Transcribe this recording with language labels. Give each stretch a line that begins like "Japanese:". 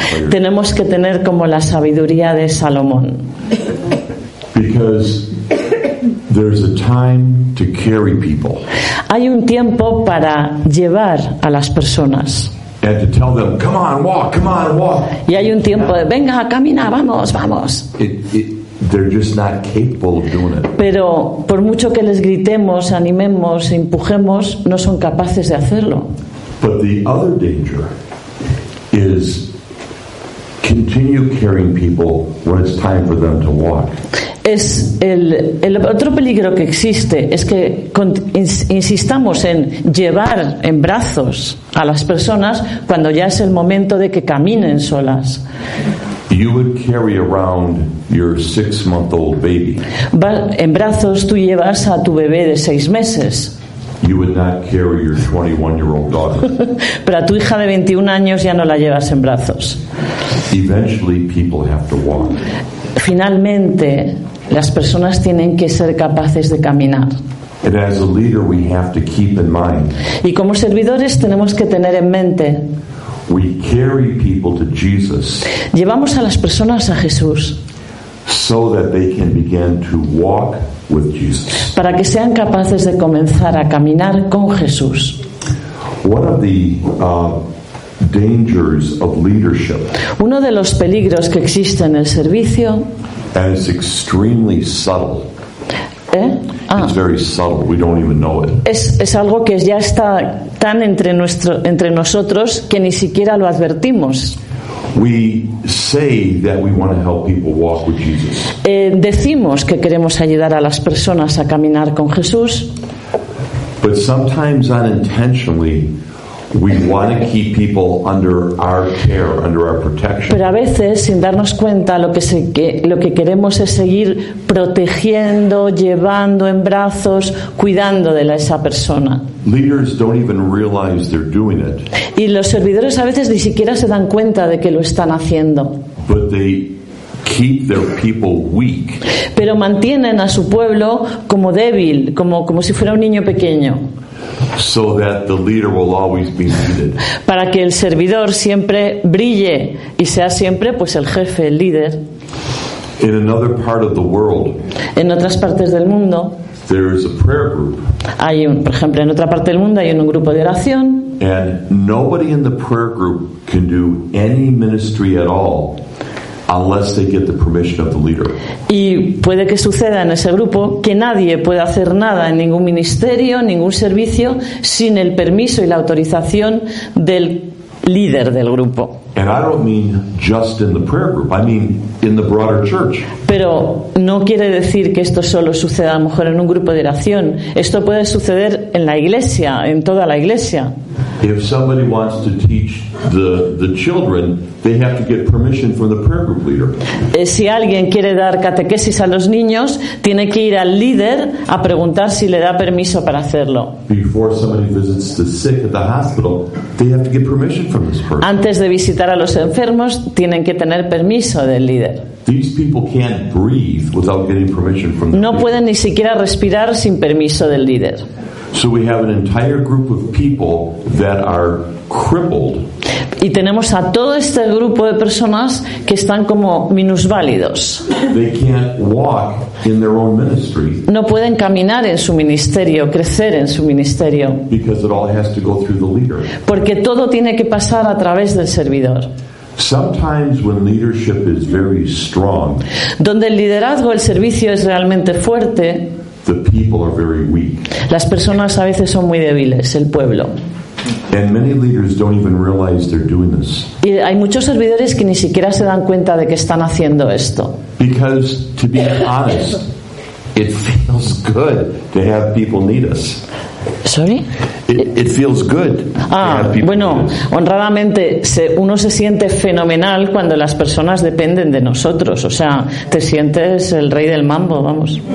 Spanish: Tenemos que tener como la sabiduría de Salomón.
English: Because there's a time to carry people.
Spanish: Hay un tiempo para llevar a las personas.
English: And to tell them, come on, walk, come on, walk.
Spanish: Y hay un tiempo de, venga, camina, vamos, vamos.
English: They're just not capable of doing it.
Spanish: Pero por mucho que les gritemos, animemos, empujemos, no son capaces de hacerlo.
English: But the other danger is continue carrying people when it's time for them to walk.
Spanish: Es el otro peligro que existe es que insistamos en llevar en brazos a las personas cuando ya es el momento de que caminen solas.
English: You would carry around your 6-month-old baby.
Spanish: En brazos tú llevas a tu bebé de 6 meses.
English: You would not carry your 21-year-old daughter.
Spanish: Pero a tu hija de 21 años ya no la llevas en brazos.
English: Eventually, people have to walk.
Spanish: Finalmente, las personas tienen que ser capaces de caminar.
English: And as a leader, we have to keep in mind.
Spanish: Y como servidores tenemos que tener en mente.
English: We carry people to Jesus.
Spanish: Llevamos a las personas a Jesús.
English: So that they can begin to walk with Jesus.
Spanish: Para que sean capaces de comenzar a caminar con Jesús.
English: One of the dangers of leadership.
Spanish: Uno de los peligros que existe en el servicio.
English: And it's extremely subtle. ¿Eh? It's very subtle. We don't even know it.
Spanish: Es algo que ya está tan entre nosotros que ni siquiera lo advertimos.
English: We say that we want to help people walk with Jesus.
Spanish: Decimos que queremos ayudar a las personas a caminar con Jesús.
English: But sometimes unintentionally, We want to keep people under our care, under our protection.
Spanish: Pero a veces, sin darnos cuenta, lo que queremos es seguir protegiendo, llevando en brazos, cuidando de esa persona.
English: Leaders don't even realize they're doing it.
Spanish: Y los servidores a veces ni siquiera se dan cuenta de que lo están haciendo.
English: But they keep their people weak.
Spanish: Pero mantienen a su pueblo como débil, como si fuera un niño pequeño.
English: So that the leader will always be needed.
Spanish: Para que el servidor siempre brille y sea siempre, pues, el jefe, el líder.
English: In another part of the world,
Spanish: en otras partes del mundo,
English: there is a prayer group.
Spanish: Hay un, por ejemplo, en otra parte del mundo hay un grupo de oración.
English: And nobody in the prayer group can do any ministry at all unless they get the permission of the leader.
Spanish: Y puede que suceda en ese grupo que nadie pueda hacer nada en ningún ministerio, ningún servicio, sin el permiso y la autorización del líder del grupo.
English: And I don't mean just in the prayer group. I mean in the broader church.
Spanish: Pero no quiere decir que esto solo suceda a lo mejor en un grupo de oración. Esto puede suceder en la iglesia, en toda la iglesia.
English: If somebody wants to teach the children, they have to get permission from the prayer group leader.
Spanish: Si alguien quiere dar catequesis a los niños, tiene que ir al líder a preguntar si le da permiso para hacerlo.
English: Before somebody visits the sick at the hospital, they have to get permission from this person.
Spanish: Antes de visitar a los enfermos, tienen que tener permiso del líder.
English: These people can't breathe without getting permission from the
Spanish: No pueden ni siquiera respirar sin permiso del líder.
English: So we have an entire group of people that are crippled.
Spanish: Y tenemos a todo este grupo de personas que están como minusválidos.
English: They can't walk in their own ministry.
Spanish: No pueden caminar en su ministerio, crecer en su ministerio.
English: Because it all has to go through the leader.
Spanish: Porque todo tiene que pasar a través del servidor.
English: Sometimes when leadership is very strong,
Spanish: donde el liderazgo, el servicio es realmente fuerte,
English: the people are very weak.
Spanish: Las personas a veces son muy débiles, el pueblo.
English: And many leaders don't even realize they're doing this.
Spanish: Y hay muchos servidores que ni siquiera se dan cuenta de que están haciendo esto.
English: Because, to be honest, it feels good to have people need us. Sorry? It feels good to have people need us.
Spanish: Bueno, honradamente, uno se siente fenomenal cuando las personas dependen de nosotros. O sea, te sientes el rey del mambo, vamos.